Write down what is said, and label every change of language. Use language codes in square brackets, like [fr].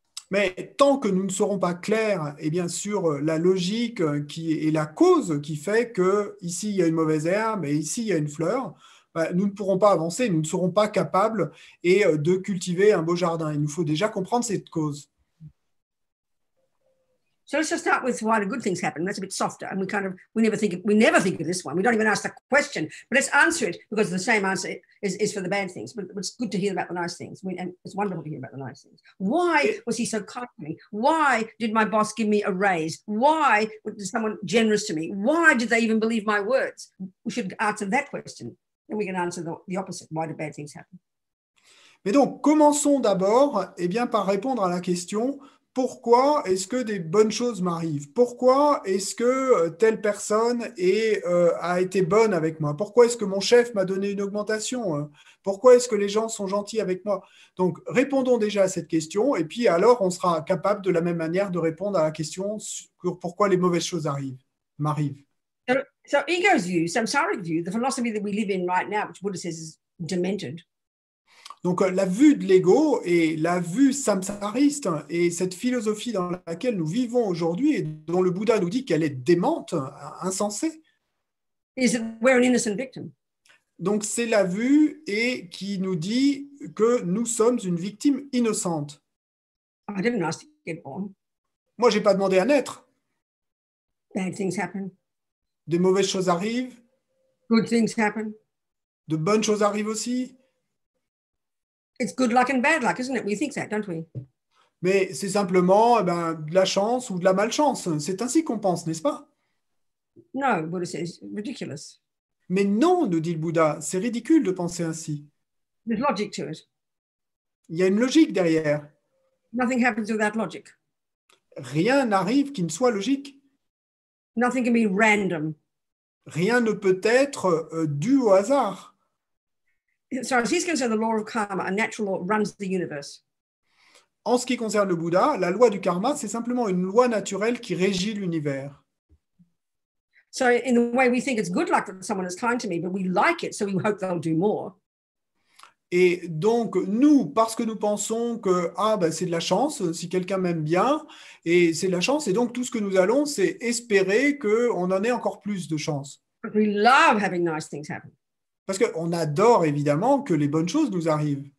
[fr] Mais tant que nous ne serons pas clairs eh bien, sur la logique qui est la cause qui fait que ici il y a une mauvaise herbe et ici il y a une fleur, bah, nous ne pourrons pas avancer, nous ne serons pas capables et de cultiver un beau jardin. Il nous faut déjà comprendre cette cause. [en] So let's just start with why the good things happen. That's a bit softer, and we never think of this one. We don't even ask the question, but let's answer it because the same answer is for the bad things. But it's good to hear about the nice things. And it's wonderful to hear about the nice things. Why was he so kind to me? Why did my boss give me a raise? Why was someone generous to me? Why did they even believe my words? We should answer that question, and we can answer the opposite: why do bad things happen? [fr] Mais donc, commençons d'abord, eh bien, par répondre à la question. Pourquoi est-ce que des bonnes choses m'arrivent? Pourquoi est-ce que telle personne a été bonne avec moi? Pourquoi est-ce que mon chef m'a donné une augmentation? Pourquoi est-ce que les gens sont gentils avec moi? Donc, répondons déjà à cette question, et puis alors on sera capable de la même manière de répondre à la question sur pourquoi les mauvaises choses m'arrivent. [en] So, ego's view, samsaric view, the philosophy that we live in right now, which Buddha says is demented. [fr] Donc, la vue de l'ego et la vue samsariste et cette philosophie dans laquelle nous vivons aujourd'hui et dont le Bouddha nous dit qu'elle est démente, insensée, [en] is it, we're an innocent victim. [fr] Donc c'est la vue et qui nous dit que nous sommes une victime innocente. [en] I didn't ask to get born. [fr] Moi, j'ai pas demandé à naître. [en] Bad things happen. [fr] Des mauvaises choses arrivent. [en] Good things happen. [fr] De bonnes choses arrivent aussi. [en] It's good luck and bad luck, isn't it? We think that, don't we? [fr] Mais c'est simplement, eh ben, de la chance ou de la malchance. C'est ainsi qu'on pense, n'est-ce pas? [en] No, Buddha says, ridiculous. [fr] Mais non, nous dit le Bouddha, c'est ridicule de penser ainsi. [en] There's logic to it. [fr] Il y a une logique derrière. [en] Nothing happens without logic. [fr] Rien n'arrive qui ne soit logique. [en] Nothing can be random. [fr] Rien ne peut être dû au hasard. [en] So as he's concerned, the law of karma, a natural law, runs the universe. [fr] En ce qui concerne le Bouddha, la loi du karma, c'est simplement une loi naturelle qui régit l'univers. [en] So in the way we think it's good luck that someone is kind to me, but we like it, so we hope they'll do more. [fr] Et donc, nous, parce que nous pensons que ah, ben, c'est de la chance, si quelqu'un m'aime bien, et c'est de la chance, et donc tout ce que nous allons, c'est espérer qu'on en ait encore plus de chance. [en] But we love having nice things happen. [fr] Parce qu'on adore évidemment que les bonnes choses nous arrivent.